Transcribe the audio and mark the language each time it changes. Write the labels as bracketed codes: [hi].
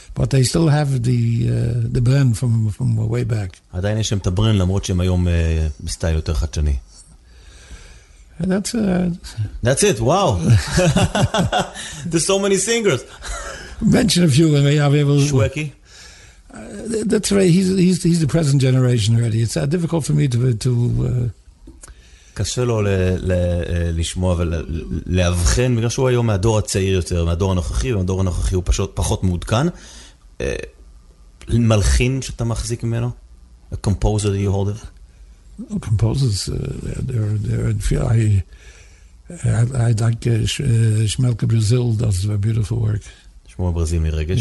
[en] but they still have the brand from way back. [he] עדיין יש להם את הברן למרות שהם היום בסטייל יותר חדשני. [en] That's it. Wow. There's so many singers. Mention a few and I'll be able to. Shweki. That's right. He's the present generation already. It's difficult for me to [he] קשה לו לשמוע ולהבחן, בגלל שהוא היום מהדור הצעיר יותר, מהדור הנוכחי, והדור הנוכחי הוא פחות מעודכן. מלחין שאתה מחזיק ממנו? [en] A composer that you hold of? No, composers, I like Shmelke Brazil does a beautiful work. [he] Shmuel Brazil מרגש.